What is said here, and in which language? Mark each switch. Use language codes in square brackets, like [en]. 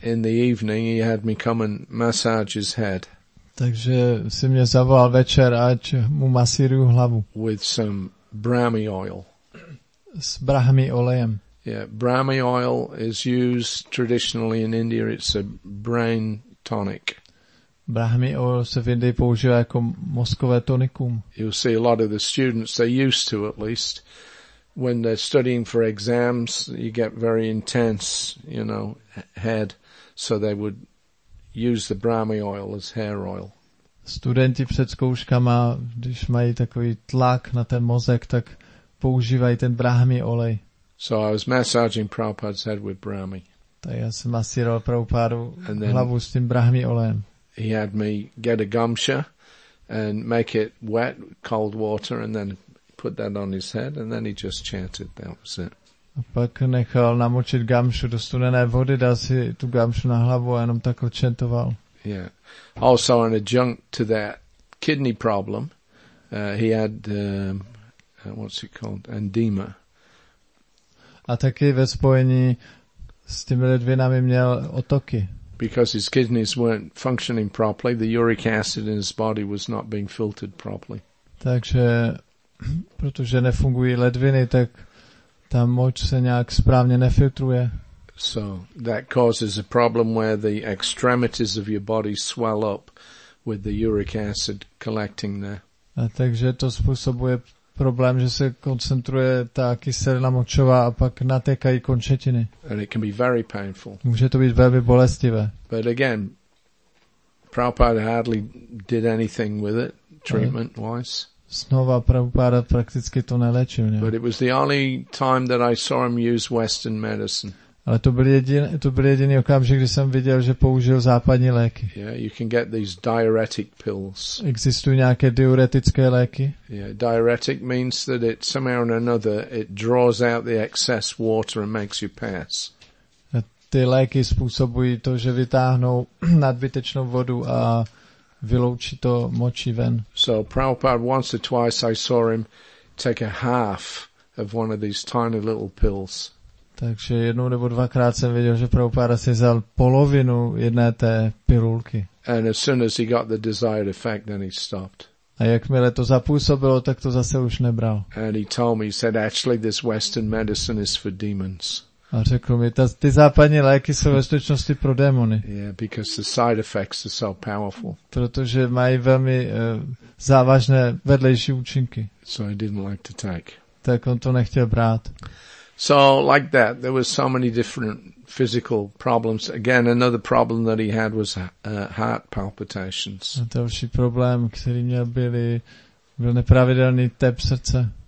[en] In the evening he had me come and massage his head. [cs] Takže si mě zavolal večer, ať mu masíruju hlavu. [en] With some Brahmi oil. [cs] S Brahmi olejem. [en] Yeah, Brahmi oil is used traditionally in India. It's a brain tonic. [cs] Brahmi oil se v Indii používá jako mozkové tonikum. [en] You'll see a lot of the students, they're used to at least, when they're studying for exams, you get very intense, you know, head, so they would use the Brahmi oil as hair oil. [cs] Studenti před zkouškama, když mají takový tlak na ten mozek, tak používají ten Brahmi olej. [en] So I was massaging Prabhupada's head with Brahmi. [cs] Tak já jsem masíroval Prabhupádu hlavu s tím Brahmi olejem. [en] He had me get a gumsha and make it wet, cold water, and then put that on his head, and then he just chanted. That was it. [cs] A pak nechal namočit gumšu do studené vody, dal si tu gumšu na hlavu a jenom takhle chantoval. [en] Yeah. Also an adjunct to that kidney problem, he had, what's it called? Edema. [cs] A taky ve spojení s těmi ledvinami měl otoky. [en] Because his kidneys weren't functioning properly, the uric acid in his body was not being filtered properly. [cs] Takže, protože nefungují ledviny, tak ta moč se nějak správně nefiltruje. [en] So that causes a problem where the extremities of your body swell up with the uric acid collecting there. [cs] A takže to způsobuje problém, že se koncentruje ta kyselina močová a pak natékají končetiny. [en] And it can be very painful. [cs] Může to být velmi bolestivé. [en] But again, Prabhupada hardly did anything with it, treatment wise. [cs] Znova Prabhupada prakticky to neléčil. Ne? [en] But it was the only time that I saw him use Western medicine. [cs] Ale to byl jediný okamžik, kdy jsem viděl, že použil západní léky. [en] Yeah, you can get these diuretic pills. [cs] Existují nějaké diuretické léky? [en] Yeah, diuretic means that it somehow or another it draws out the excess water and makes you pass. [cs] A ty léky způsobují to, že vytáhnou nadbytečnou vodu a vyloučí to moči ven. [en] So Prabhupada, once or twice I saw him take a half of one of these tiny little pills. [cs] Takže jednou nebo dvakrát jsem viděl, že Prabhupada si vzal polovinu jedné té pilulky. [en] And as soon as he got the desired effect, then he stopped. [cs] A jakmile to zapůsobilo, tak to zase už nebral. [en] And he told me, he said, actually this Western medicine is for demons. [cs] A řekl mi, ty západní léky jsou ve skutečnosti pro démony. [en] Yeah, because the side effects are so powerful. [cs] Protože mají velmi závažné vedlejší účinky. [en] So I didn't like to take. [cs] Tak on to nechtěl brát. [en] So like that, there were so many different physical problems. Again, another problem that he had was heart palpitations. [cs] A další problém, který měl, byl nepravidelný tep srdce.